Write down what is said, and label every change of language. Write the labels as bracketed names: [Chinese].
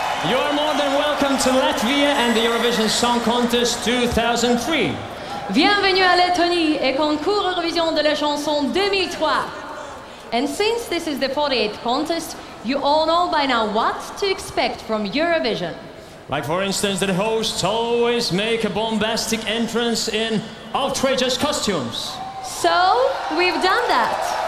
[English] You are more than welcome to Latvia and the Eurovision Song Contest 2003. [French] Bienvenue à Lettonie et concours Eurovision de la chanson 2003. [English] And since this is the 48th contest, you all know by now what to expect from Eurovision. Like, for instance, that hosts always make a bombastic entrance in outrageous costumes. So, we've done that.